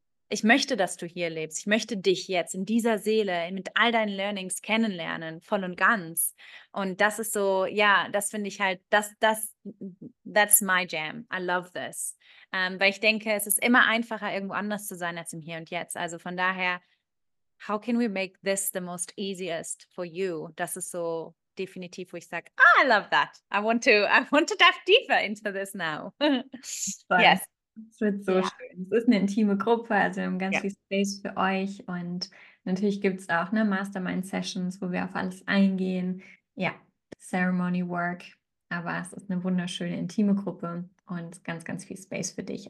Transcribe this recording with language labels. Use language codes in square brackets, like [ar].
[de] Ich möchte, dass du hier lebst. Ich möchte dich jetzt in dieser Seele, mit all deinen Learnings kennenlernen, voll und ganz. Und das ist so, das finde ich halt, [en] that's my jam. I love this. [de] Weil ich denke, es ist immer einfacher, irgendwo anders zu sein, als im Hier und Jetzt. Also von daher, [en] how can we make this the most easiest for you? [de] Das ist so definitiv, wo ich sage, ah, [en] I love that. I want to dive deeper into this now. Yes. [de] Es wird so schön. Es ist eine intime Gruppe, also wir haben ganz viel Space für euch und Natürlich gibt es auch ne, Mastermind-Sessions, wo wir auf alles eingehen. Ja, Ceremony-Work. Aber es ist eine wunderschöne, intime Gruppe und ganz, ganz viel Space für dich.